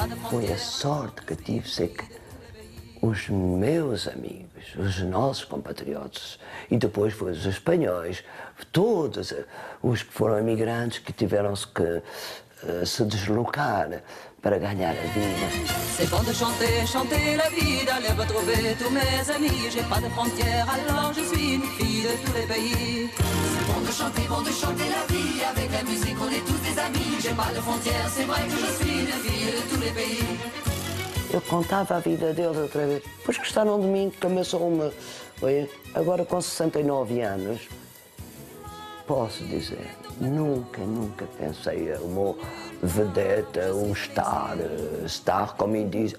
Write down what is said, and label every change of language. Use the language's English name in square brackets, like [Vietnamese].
[Portuguese] Foi a sorte que tive, sei que os meus amigos, os nossos compatriotas, e depois foi os espanhóis, todos os que foram imigrantes que tiveram que se deslocar para ganhar a vida. [French] C'est bon de chanter, chanter la vida, aller retrouver tous mes amis. J'ai pas de frontières, alors je suis une fille de tous les pays. C'est bon de chanter la vie, avec la musique on est tous des amis. J'ai pas de frontières, c'est vrai que je suis une fille de tous les pays. [Portuguese] Eu contava a vida deles outra vez, pois que está num domingo, começou uma. Agora com 69 anos, posso dizer. Nunca, nunca pensei uma vedeta, um star, como ele diz.